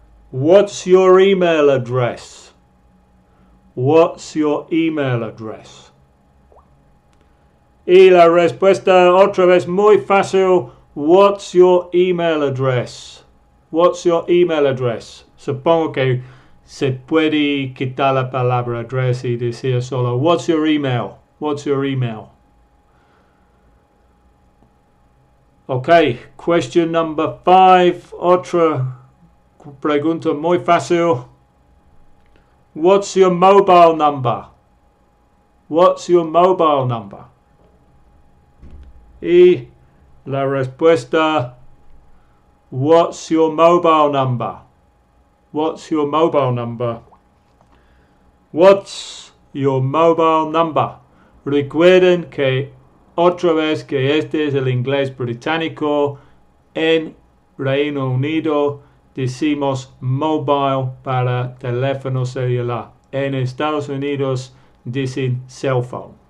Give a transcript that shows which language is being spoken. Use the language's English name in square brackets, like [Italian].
[English] What's your email address? What's your email address? [Spanish] Y la respuesta otra vez muy fácil. [English] What's your email address? What's your email address? [Spanish] Supongo que se puede quitar la palabra address y decir solo [English] what's your email? What's your email? Okay, question number five. [Spanish] Otra pregunta muy fácil. [English] What's your mobile number? What's your mobile number? [Spanish] Y la respuesta, [English] what's your mobile number? What's your mobile number? What's your mobile number? [Spanish] Recuerden que otra vez que este es el inglés británico en Reino Unido. Decimos mobile para teléfono celular. En Estados Unidos dicen cell phone.